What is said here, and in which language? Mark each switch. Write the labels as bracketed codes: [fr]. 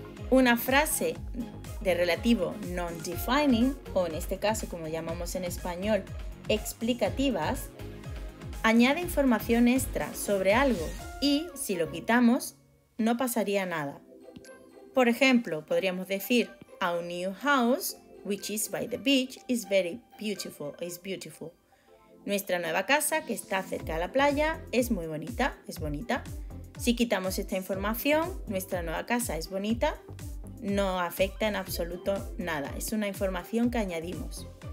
[es] Una frase de relativo non-defining, o en este caso como llamamos en español, explicativas, añade información extra sobre algo y si lo quitamos no pasaría nada. Por ejemplo, podríamos decir, [en] our new house, which is by the beach, is very beautiful, is beautiful. [es] Nuestra nueva casa, que está cerca de la playa, es muy bonita, es bonita. Si quitamos esta información, nuestra nueva casa es bonita, no afecta en absoluto nada. Es una información que añadimos.